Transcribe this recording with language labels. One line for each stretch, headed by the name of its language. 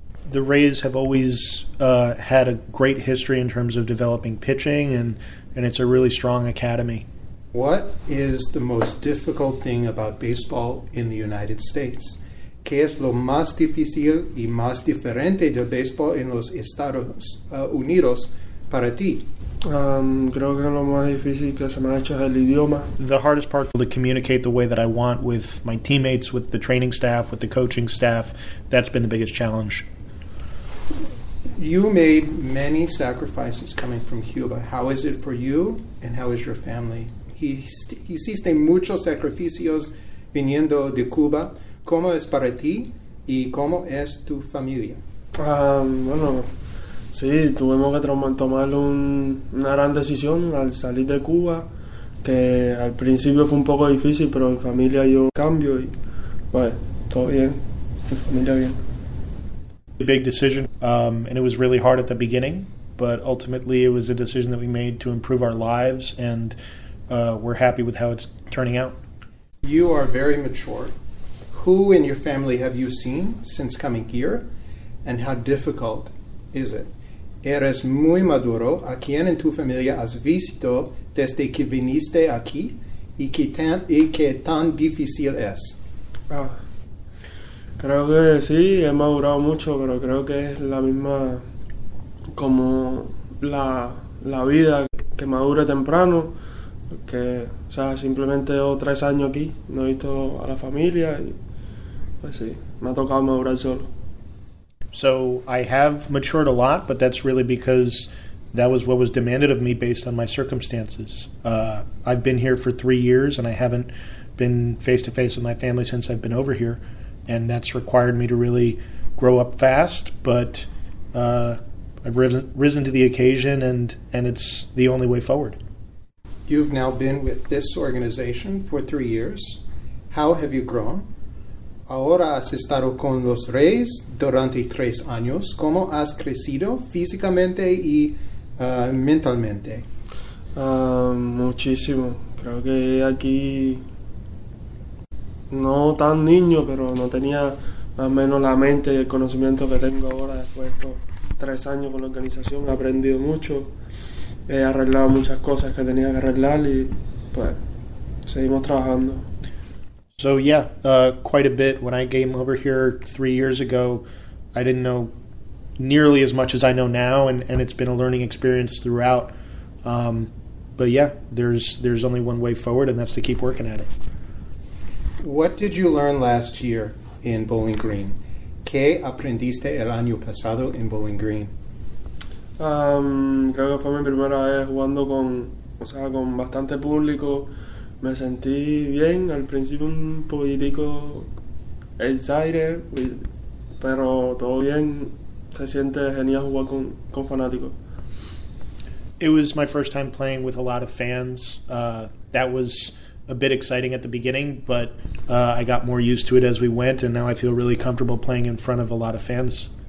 English: The Rays have always had a great history in terms of developing pitching, and it's a really strong academy. What is the most difficult thing about baseball in the United States?
Spanish: ¿Qué es lo más difícil y más diferente del baseball en los Estados Unidos para ti? Creo que lo más difícil que se me ha hecho es el idioma.
English: The hardest part to communicate the way that I want with my teammates, with the training staff, with the coaching staff, that's been the biggest challenge. You made many sacrifices coming from Cuba. How is it for you and how is your family?
Spanish: Hiciste muchos sacrificios viniendo de Cuba. ¿Cómo es para ti y cómo es tu familia? Bueno... Sí, tuvimos que tomar una gran decisión al salir de Cuba, que al principio fue un poco difícil, pero mi familia dio cambio y, bueno, todo bien, mi familia bien.
English: A big decision, and it was really hard at the beginning, but ultimately it was a decision that we made to improve our lives, and we're happy with how it's turning out. You are very mature. Who in your family have you seen since coming here, and how difficult is it?
Spanish: Eres muy maduro. ¿A quién en tu familia has visto desde que viniste aquí? ¿Y qué tan difícil es? Creo que sí, he madurado mucho, pero creo que es la misma como la vida que madure temprano. Que, o sea, simplemente 3 años aquí, no he visto a la familia y pues sí, me ha tocado madurar solo.
English: So I have matured a lot, but that's really because that was what was demanded of me based on my circumstances. I've been here for 3 years, and I haven't been face-to-face with my family since I've been over here, and that's required me to really grow up fast, but I've risen to the occasion, and it's the only way forward. You've now been with this organization for 3 years. How have you grown?
Spanish: Ahora has estado con los Reyes durante 3 años. ¿Cómo has crecido físicamente y mentalmente? Muchísimo. Creo que aquí no tan niño, pero no tenía más o menos la mente y el conocimiento que tengo ahora. Después de estos 3 años con la organización he aprendido mucho. He arreglado muchas cosas que tenía que arreglar y pues seguimos trabajando.
English: So yeah, quite a bit. When I came over here 3 years ago, I didn't know nearly as much as I know now, and it's been a learning experience throughout. But yeah, there's only one way forward, and that's to keep working at it. What did you learn last year in Bowling Green?
Spanish: ¿Qué aprendiste el año pasado en Bowling Green? Creo que fue mi primera vez jugando con bastante público. Me sentí bien, al principio un poquitico excited, pero todo bien, se siente genial jugar con fanáticos.
English: It was my first time playing with a lot of fans. That was a bit exciting at the beginning, but I got more used to it as we went, and now I feel really comfortable playing in front of a lot of fans.